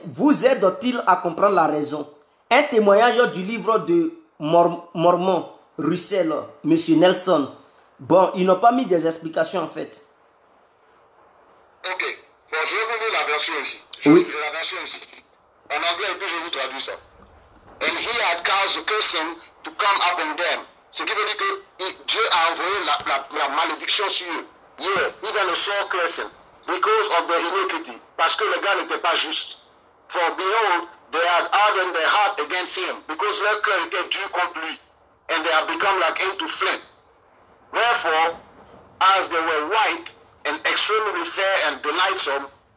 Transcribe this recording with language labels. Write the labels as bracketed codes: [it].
[fr] Vous aide-t-il à comprendre la raison? Un témoignage du livre de Mormon, Russell, M. Nelson. Bon, ils n'ont pas mis des explications en fait. Ok. Bon, je vais vous lire la version ici. La version ici. En anglais, et puis je vous traduis ça. [en] And he had caused the curse to come upon them. [fr] Ce qui veut dire que Dieu a envoyé la malédiction sur eux. [en] Yeah, even a sore curse. Because of their iniquity. [fr] Parce que les gars n'étaient pas justes. [en] For behold, they had hardened their heart against him. Because [fr] leur cœur était dur contre lui. [en] And they had become like into flame. Wherefore, as they were white, and extremely fair and delightsome.